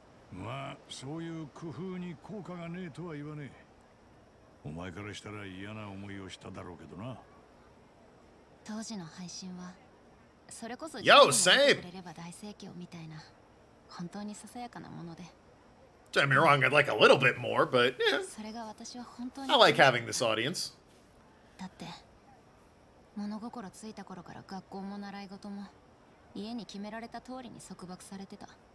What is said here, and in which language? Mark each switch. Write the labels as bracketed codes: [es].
[ja] まあ、そういう工夫に効果がねえとは言わねえ。お前からしたら嫌な思いをしただろうけどな。当時の配信はそれこそ自分が触れれば大盛況みたいな本当にささやかなもので。 [en] Don't get me wrong, I'd like a little bit more, but yeah. I like having this audience. [ja] だって物心ついた頃から学校も習い事も家に決められた通りに束縛されてた。